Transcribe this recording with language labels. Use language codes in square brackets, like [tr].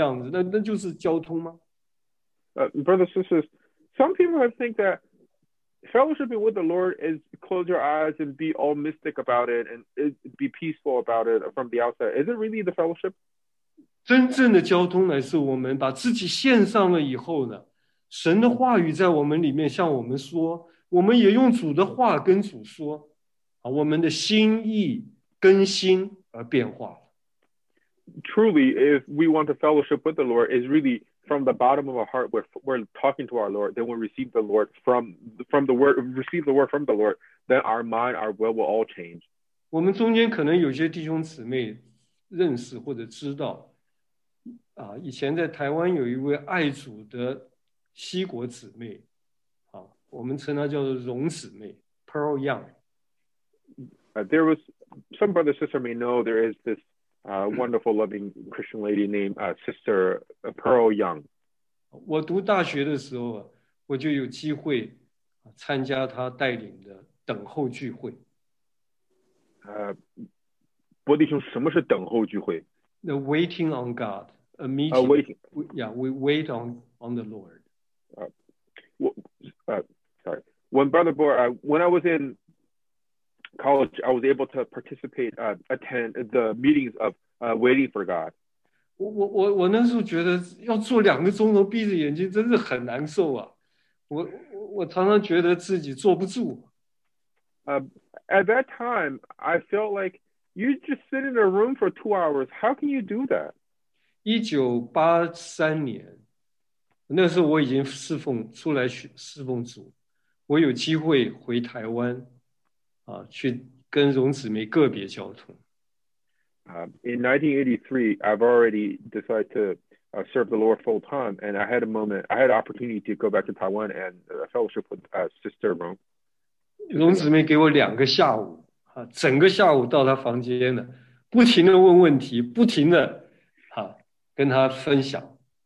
[zh] 弟兄姊妹们，很多人认为与主交通就是闭着眼睛，一副很神秘的样子，脸上装出很安详的样子，那就是交通吗？ [en] Brothers and sisters, some people have think that fellowshipping with the Lord is close your eyes and be all mystic about it and be peaceful about it from the outside. Is it really the fellowship? [zh] 真正的交通乃是我们把自己献上了以后呢，神的话语在我们里面向我们说，我们也用主的话跟主说，啊，我们的心意更新而变化了。 [en] truly, if we want to fellowship with the Lord, is really from the bottom of our heart, we're talking to our Lord, then we receive the Lord from the word, receive the word from the Lord, then our mind, our will all change. [zh] 我们中间可能有些弟兄姊妹认识或者知道，啊，以前在台湾有一位爱主的西国姊妹，啊，我们称她叫做荣姊妹 ，Pearl Young。 [en] There was some brother sister may know there is this wonderful loving Christian lady named Sister Pearl Young. [zh] 我读大学的时候，我就有机会参加她带领的等候聚会。伯弟兄，什么是等候聚会 [en] ？The waiting on God, a meeting. Waiting. Yeah, we wait on the Lord. When Brother Bo, when I was in college, I was able to participate, attend the meetings of waiting for God. [zh] 我那时候觉得要坐两个钟头，闭着眼睛，真是很难受啊！我常常觉得自己坐不住。 [en] At that time, I felt like you just sit in a room for 2 hours. How can you do that? [zh] 1983年，那时候我已经出来侍奉主，我有机会回台湾，啊，去跟荣姊妹个别交通。 [en] In 1983, I've already decided to serve the Lord full time, and I had a moment, I had an opportunity to go back to Taiwan and fellowship with Sister Rong. [zh] 荣姊妹给我两个下午，啊，整个下午到她房间的，不停的问问题，不停的，啊，跟她分享。